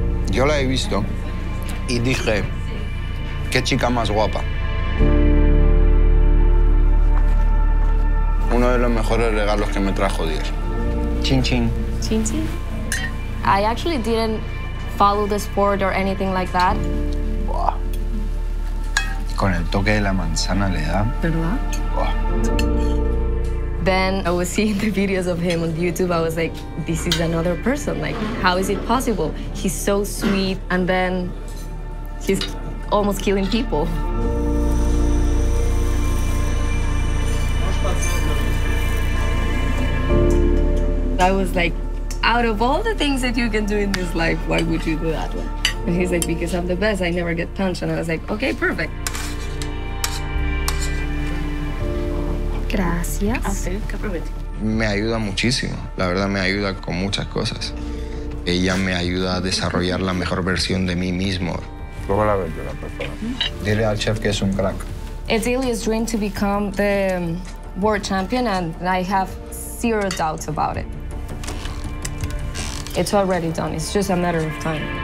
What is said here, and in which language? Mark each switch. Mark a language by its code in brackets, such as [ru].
[es] Yo la he visto y dije, qué chica más guapa. Uno de los mejores regalos que me trajo Dios. Chin chin. Chin chin. [en] I actually didn't follow the sport or anything like that. [es] Buah. Con el toque de la manzana le da. ¿Verdad? Buah. [en] Then I was seeing the videos of him on YouTube. I was like, this is another person. Like, how is it possible? He's so sweet, and then he's almost killing people. I was like, out of all the things that you can do in this life, why would you do that one? And he's like, because I'm the best, I never get punched. And I was like, okay, perfect. [es] Gracias. Me ayuda muchísimo. La verdad, me ayuda con muchas cosas. Ella me ayuda a desarrollar la mejor versión de mí mismo. ¿Cómo la ves, por favor? Dile al chef que es un crack. [en] It's Ilia's dream to become the world champion, and I have zero doubts about it. It's already done. It's just a matter of time.